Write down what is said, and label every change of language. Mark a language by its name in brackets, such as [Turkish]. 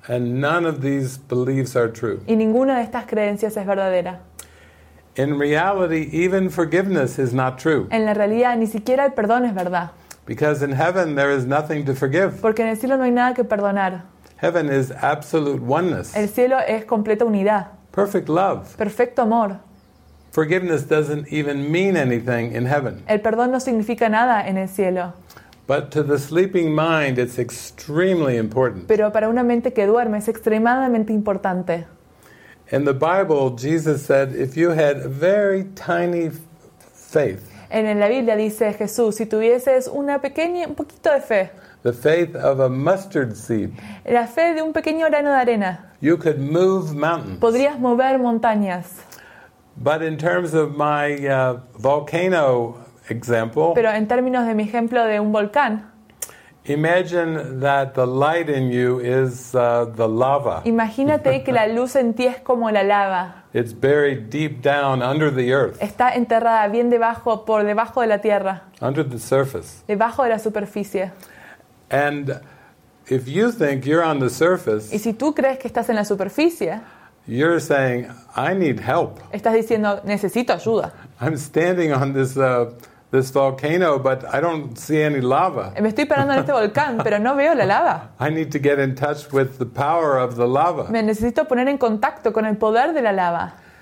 [English] And none of these beliefs are true. [Spanish] Y ninguna de estas creencias es verdadera. [English] In reality, even forgiveness is not true. [Spanish] En la realidad, ni siquiera el perdón es verdad. [English] Because in heaven there is nothing to forgive. [Spanish] Porque en el cielo no hay nada que perdonar. [English] Heaven is absolute oneness. [Spanish] El cielo es completa unidad. [English] Perfect love. [Spanish] Perfecto amor. [English] Forgiveness doesn't even mean anything in heaven. [Spanish] El perdón no significa nada en el cielo. [English] But to the sleeping mind, it's extremely important. [Spanish] Pero para una mente que duerme es extremadamente importante. [English] In the Bible, Jesus said, "If you had a very tiny faith." [Spanish] En la Biblia dice Jesús, si tuvieses una pequeña, un poquito de fe. [English] The faith of a mustard seed. [Spanish] La fe de un pequeño grano de arena. [English] You could move mountains. [Spanish] Podrías mover montañas. [English] But in terms of my volcano example. [Spanish] Pero en términos de mi ejemplo de un volcán. [English] Imagine that the light in you is the lava. [Spanish] Imagínate que la luz en ti es como la lava. [English] It's buried deep down under the earth. [Spanish] Está enterrada bien debajo, por debajo de la tierra. [English] Under the surface. [Spanish] Debajo de la superficie. [English] And if you think you're on the surface. [Spanish] Y si tú crees que estás en la superficie. [English] You're saying, I need help. [Spanish] Estás diciendo, necesito ayuda. [English] I'm standing on this this volcano, but I don't see any lava. [Spanish] Me estoy parando en este volcán, pero no veo la lava. [English] I need to get in touch with the power of the lava. [Spanish] Me necesito poner en contacto con el poder de la lava.